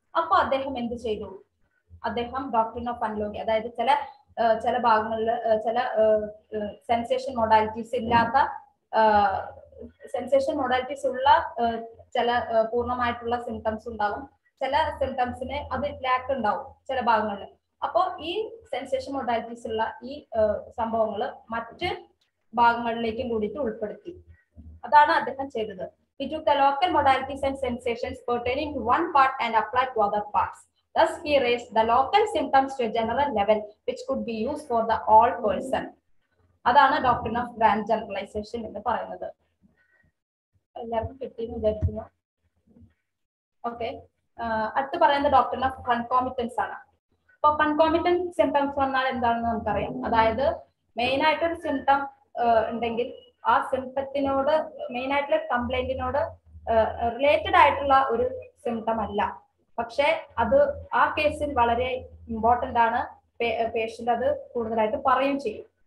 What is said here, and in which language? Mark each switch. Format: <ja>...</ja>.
<ml>അപ്പൊ അദ്ദേഹം എന്ത് ചെയ്തു? അദ്ദേഹം ഡോക്ടർ ഓഫ് അനലോഗി, അതായത് ചില ഭാഗങ്ങളിൽ ചില സെൻസേഷൻ മൊഡാലിറ്റീസ് ഇല്ലാത്ത, സെൻസേഷൻ മൊഡാലിറ്റീസ് ഉള്ള ചില പൂർണ്ണമായിട്ടുള്ള സിംപ്റ്റംസ് ഉണ്ടാവും, ചില സിംപ്റ്റംസിന് അത് ലാക്ക് ഉണ്ടാവും ചില ഭാഗങ്ങളിൽ. അപ്പോ ഈ സെൻസേഷൻ മൊഡാലിറ്റീസ് ഉള്ള ഈ സംഭവങ്ങൾ മറ്റ് ഭാഗങ്ങളിലേക്കും കൂടിയിട്ട് ഉൾപ്പെടുത്തി. അതാണ് അദ്ദേഹം ചെയ്തത്.</ml> <en>He took the local modalities and sensations pertaining to one part and applied to other parts. Thus he raised the local symptoms to a general level which could be used for the all person.</en> <ml>അതാണ് doctrine of grand generalization എന്ന് പറയുന്നത്. എല്ലാവർക്കും കിട്ടിയെന്ന് വിചാരിക്കുന്നു. Okay, അടുത്ത് പറയുന്ന doctor of കൺകോമിറ്റൻസ് ആണ്. അപ്പൊ കൺകോമിറ്റൻസ് സിംപ്റ്റംസ് വന്നാൽ എന്താണെന്ന് നമുക്കറിയാം. അതായത് മെയിൻ ആയിട്ടൊരു സിംപ്റ്റം ഉണ്ടെങ്കിൽ ആ സിംപ്റ്റത്തിനോട്, മെയിൻ ആയിട്ടുള്ള കംപ്ലൈന്റിനോട് റിലേറ്റഡ് ആയിട്ടുള്ള ഒരു സിംപ്റ്റം അല്ല, പക്ഷേ അത് ആ കേസിൽ വളരെ ഇമ്പോർട്ടൻ്റ് ആണ്, പേഷ്യന്റ് അത് കൂടുതലായിട്ട് പറയുകയും ചെയ്യും.</ml>